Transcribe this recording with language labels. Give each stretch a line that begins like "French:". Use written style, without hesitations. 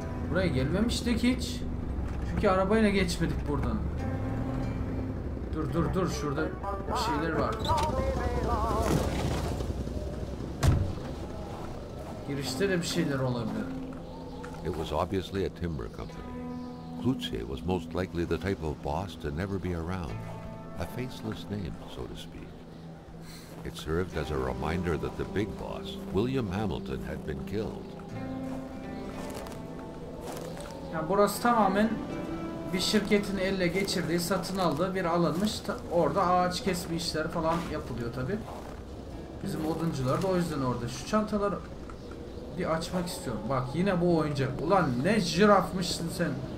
Turkish: Buraya gelmemiştik hiç. Çünkü arabayla geçmedik buradan. Dur dur dur, şurada bir şeyler var. Girişte de bir şeyler olabilir.
English: It was obviously a timber company. Klutze was most likely the type of boss to never be around. A faceless name, so to speak. It served as a reminder that the big boss, William Hamilton, had been killed.
Turkish: Ya burası tamamen bir şirketin elle geçirdiği, satın aldığı bir alanmış. Orada ağaç kesme işleri falan yapılıyor tabi. Bizim oduncular da o yüzden orada. Şu çantalar bir açmak istiyorum. Bak yine bu oyuncak. Ulan ne jirafmışsın sen.